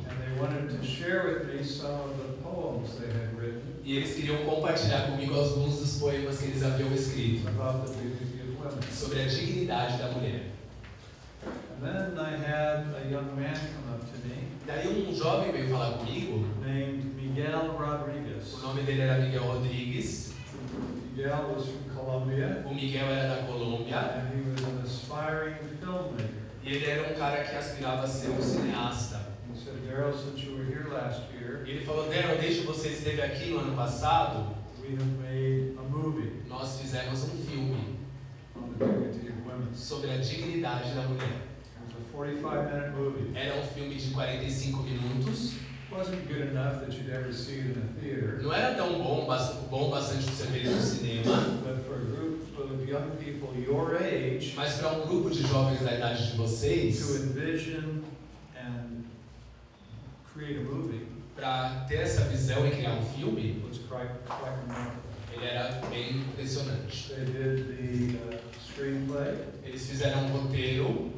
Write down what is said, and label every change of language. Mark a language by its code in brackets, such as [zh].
[en] And they wanted to share with me some of the poems they had written. [pt] E eles queriam compartilhar comigo alguns dos poemas que eles haviam escrito. [en] About the dignity of women. [pt] Sobre a dignidade da mulher. [en] And then I had a young man come up to me. [pt] Daí um jovem veio falar comigo. [en] Named Miguel Rodriguez. [pt] O nome dele era Miguel Rodriguez. [en] Miguel was from Colombia. [pt] O Miguel era da Colômbia. [en] And he was an aspiring filmmaker. [pt] E ele era um cara que aspirava a ser um cineasta. [en] He said, Daryl, since you were here last year, [pt] e ele falou, Daryl, desde que você esteve aqui no ano passado, [en] we have made a movie. [pt] Nós fizemos um filme [en] on the dignity of women. [pt] Sobre a dignidade da mulher. [en] It was a 45-minute movie. [pt] Era um filme de 45 minutos. [en] Wasn't good enough that you'd ever see it in a theater. [pt] Não era tão bom bastante para ser visto no cinema. [en] But for a group of young people your age, [pt] mas para um grupo de jovens da idade de vocês, [en] to envision and create a movie, [pt] para ter essa visão e criar um filme, [en] was quite remarkable. [pt] Ele era bem impressionante. [en] They did the screenplay. [pt] Eles fizeram um roteiro.